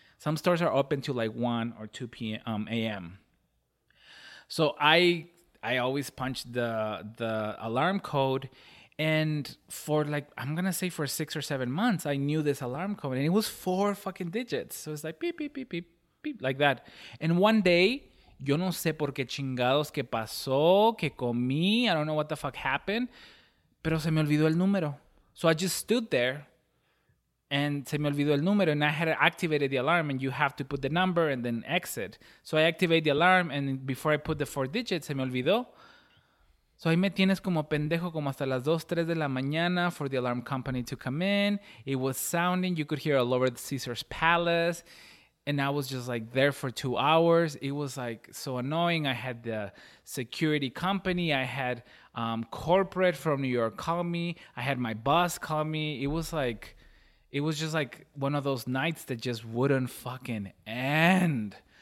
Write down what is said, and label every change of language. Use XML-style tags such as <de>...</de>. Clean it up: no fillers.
<en>Some stores are open to like 1 or 2 p.m. a.m. So I always punch the alarm code, and for like, I'm going to say for 6 or 7 months, I knew this alarm code and it was 4 fucking digits. So it's like beep, beep, beep, beep, beep, like that. And one day,</en> <es>yo no sé por qué chingados que pasó, que comí,</es> <en>I don't know what the fuck happened,</en> <es>pero se me olvidó el número.</es> <en>So I just stood there and</en> <es>se me olvidó el número,</es> <en>and I had activated the alarm, and you have to put the number and then exit. So I activate the alarm, and before I put the 4 digits,</en> <es>se me olvidó.</es> <en>So</en> <es>ahí me tienes como pendejo como hasta las 2, 3 de la mañana</es> <en>for the alarm company to come in. It was sounding. You could hear all over the Caesar's Palace. And I was just like there for 2 hours. It was like so annoying. I had the security company. I had corporate from New York call me. I had my boss call me. It was just like one of those nights that just wouldn't fucking end.</en>